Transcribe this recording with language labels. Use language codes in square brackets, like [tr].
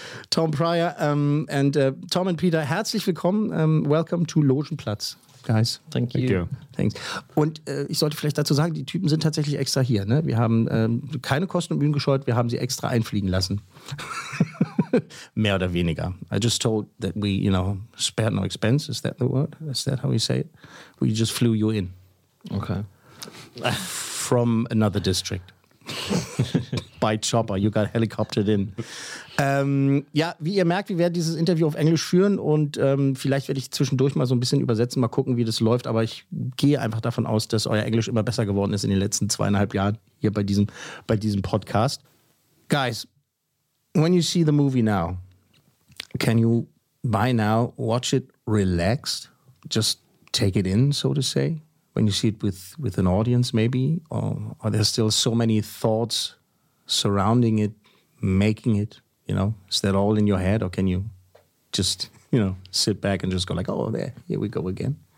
[de] Tom Pryor [en] Tom and Peter, [de] herzlich willkommen. [en] Welcome to Logenplatz, guys. Thank you. Thanks. [de] Und ich sollte vielleicht dazu sagen, die Typen sind tatsächlich extra hier. Ne? Wir haben keine Kosten und Mühen gescheut, wir haben sie extra einfliegen lassen. Mehr oder weniger. [en] I just told that we, you know, spared no expense. Is that the word? Is that how we say it? We just flew you in. Okay. From another district. By chopper, you got helicoptered in. [de] Ja, wie ihr merkt, wir werden dieses Interview auf Englisch führen und vielleicht werde ich zwischendurch mal so ein bisschen übersetzen, mal gucken, wie das läuft, aber ich gehe einfach davon aus, dass euer Englisch immer besser geworden ist in den letzten 2,5 Jahren hier bei diesem Podcast. [en] Guys, when you see the movie now, can you by now watch it relaxed? Just take it in, so to say? When you see it with an audience maybe? Or are there still so many thoughts surrounding it, making it, you know, is that all in your head or can you just, you know, sit back and just go like, oh, there, here we go again.